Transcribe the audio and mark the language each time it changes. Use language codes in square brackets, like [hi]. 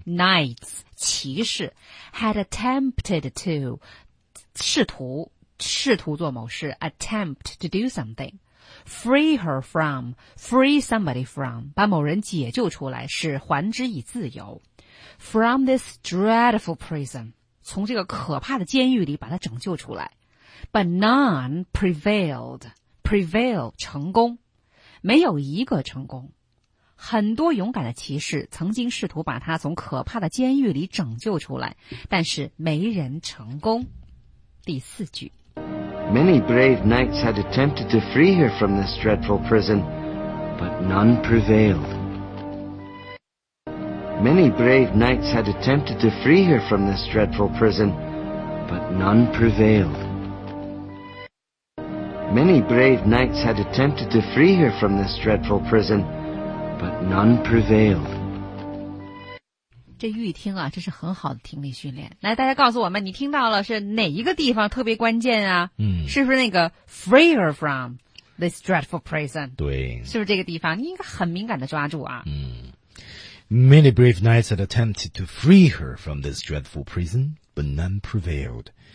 [en] ，Knights [zh] 骑士 [en] had attempted to [zh] 试图做某事 [en] ，attempt to do something, free her from, free somebody from [zh] 把某人解救出来，使还之以自由 [en] ，from this dreadful prison [zh] 从这个可怕的监狱里把他拯救出来 [en] ，but none prevailed. [zh] Prevail 成功，没有一个成功。很多勇敢的骑士曾经试图把他从可怕的监狱里拯救出来，但是没人成功。第四句 [en] ，Many brave knights had attempted to free her from this dreadful prison, but none prevailed. Many brave knights had attempted to free her from this dreadful prison, but none prevailed. Many brave knights had attempted to free her from this dreadful prison, but none prevailed. [zh] 这预听啊，这是很好的听力训练。来，大家告诉我们，你听到了是哪一个地方特别关键啊？嗯，是不是那个 [en] free her from this dreadful prison? [zh] 对，是不是这个地方？你应该很敏感的抓住啊。 [en] 嗯 ，Many brave knights had attempted to free her from this dreadful prison, but none prevailed.